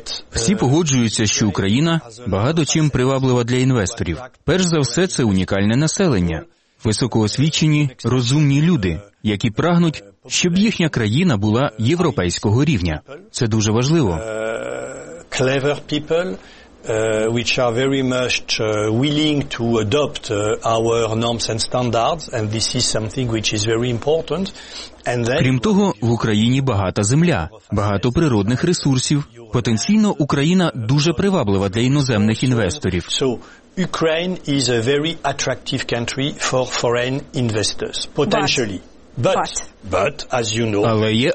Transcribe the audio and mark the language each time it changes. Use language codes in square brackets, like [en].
[uk] Всі погоджуються, що Україна багато чим приваблива для інвесторів. Перш за все, це унікальне населення, високоосвічені, розумні люди, які прагнуть, щоб їхня країна була європейського рівня. Це дуже важливо. [en] Clever people, which are very much willing to adopt our norms and standards, and this is something which is very important. [uk] Крім того, в Україні багата земля, багато природних ресурсів. Потенційно Україна дуже приваблива для іноземних інвесторів. [en] Ukraine is a very attractive country for foreign investors, potentially. But as you know,